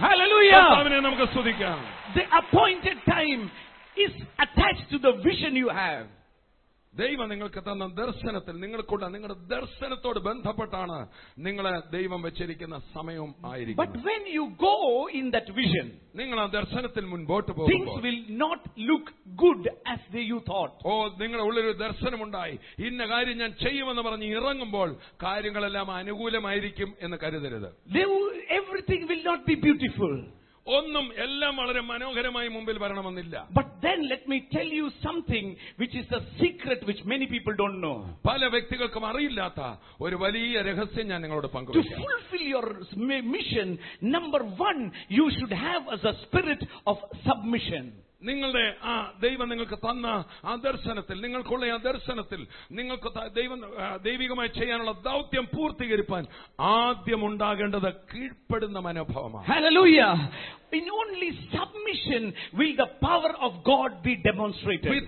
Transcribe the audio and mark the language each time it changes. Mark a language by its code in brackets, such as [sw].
[en] Hallelujah! The appointed time is attached to the vision you have. [ml] ദൈവം നിങ്ങൾക്ക് തന്ന ദർശനത്തിൽ നിങ്ങൾക്കുള്ള നിങ്ങളുടെ ദർശനത്തോട് ബന്ധപ്പെട്ടാണ് നിങ്ങളെ ദൈവം വെച്ചിരിക്കുന്ന സമയവും ആയിരിക്കും. [en] But when you go in that vision, [ml] നിങ്ങൾ ആ ദർശനത്തിൽ മുൻപോട്ട് പോകുമ്പോൾ, [en] things will not look good as they you thought. [ml] ഓ നിങ്ങളുടെ ഉള്ളിലൊരു ദർശനമുണ്ടായി, ഇന്ന കാര്യം ഞാൻ ചെയ്യുമെന്ന് പറഞ്ഞ് ഇറങ്ങുമ്പോൾ കാര്യങ്ങളെല്ലാം അനുകൂലമായിരിക്കും എന്ന് കരുതരുത്. [en] Everything will not be beautiful. [ml] ഒന്നും എല്ലാം വളരെ മനോഹരമായി മുമ്പിൽ വരണമെന്നില്ല. [en] But then let me tell you something which is a secret which many people don't know. [ml] പല വ്യക്തികൾക്കും അറിയില്ലാത്ത ഒരു വലിയ രഹസ്യം ഞാൻ നിങ്ങളോട് പങ്കുവെക്കാം. [en] To fulfill your mission, number one, you should have as a spirit of submission. [ml] നിങ്ങളുടെ ആ ദൈവം നിങ്ങൾക്ക് തന്ന ആ ദർശനത്തിൽ, നിങ്ങൾക്കുള്ള ആ ദർശനത്തിൽ നിങ്ങൾക്ക് ദൈവം ദൈവികമായി ചെയ്യാനുള്ള ദൗത്യം പൂർത്തീകരിപ്പാൻ ആദ്യം ഉണ്ടാകേണ്ടത് കീഴ്പ്പെടുന്ന മനോഭാവമാണ്. ഹല്ലേലൂയാ. [en] In only submission will the power of God be demonstrated.